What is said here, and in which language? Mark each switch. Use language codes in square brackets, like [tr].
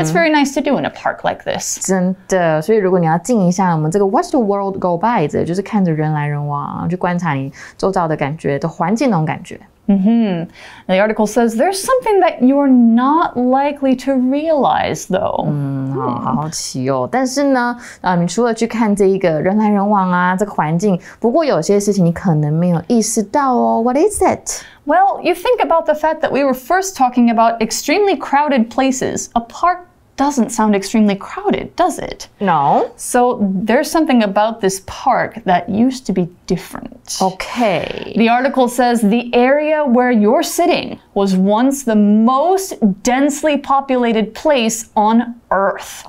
[en] It's very nice to do in a park like this. [zh] 真的，所以如果你要静一下，我们这个 [en] watch the world go by [zh] 这就是看着人来人往，去观察你周遭的感觉，的环境那种感觉。 Mm-hmm. [en] The article says there's something that you're not likely to realize, though. [zh] 好好奇哦。但是呢，你除了去看这一个人来人往啊，这个环境，不过有些事情你可能没有意识到哦。 [en] What is it? Well, you think about the fact that we were first talking about extremely crowded places. A park doesn't sound extremely crowded, does it? No. So there's something about this park that used to be different. Okay. The article says the area where you're sitting was once the most densely populated place on Earth.